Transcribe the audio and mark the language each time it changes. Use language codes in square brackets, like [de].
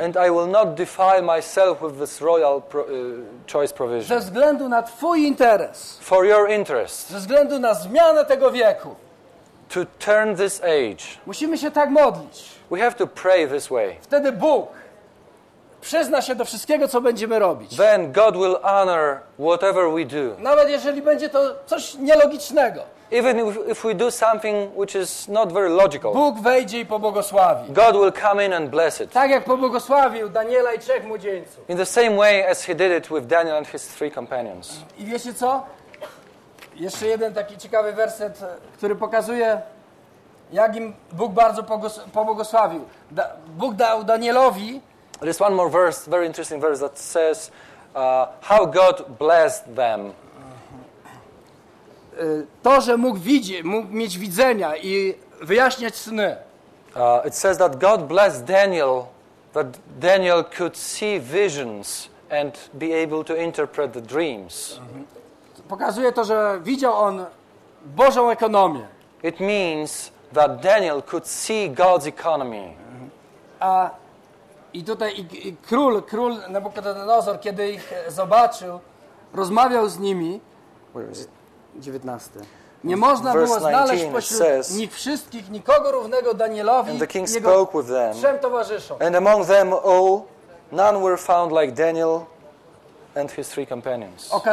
[en] And I will not defile myself with this royal choice provision. [pl] Ze względu na twój interes. [en] For your interest. [pl] Ze względu na zmianę tego wieku. [en] To turn this age. [pl] Musimy się tak modlić. [en] We have to pray this way. [pl] Wtedy Bóg przyzna się do wszystkiego, co będziemy robić. [en] Then God will honor whatever we do. [pl] Nawet jeżeli będzie to coś nielogicznego. [en] Even if we do something which is not very logical. [pl] Bóg wejdzie i pobłogosławi. [en] God will come in and bless it. [pl] Tak jak pobłogosławił Daniela i trzech młodzieńców. [en] In the same way as he did it with Daniel and his three companions. [pl] I wiecie co? Jeszcze jeden taki ciekawy werset, który pokazuje, jak im Bóg bardzo pobłogosławił. Bóg dał Danielowi. [en] There's one more verse, very interesting verse that says how God blessed them. [pl] To, że mógł widzieć, mógł mieć widzenia i wyjaśniać sny. [en] It says that God blessed Daniel, that Daniel could see visions and be able to interpret the dreams. [pl] Pokazuje to, że widział on Bożą ekonomię. [en] It means that Daniel could see God's economy. [pl] I tutaj król Nabuchodonozor, kiedy ich zobaczył, rozmawiał z nimi. 19. Nie można było znaleźć pośród nich wszystkich nikogo równego Danielowi i jego trzem towarzyszom. [en] And among them all, none were found like Daniel and his three companions.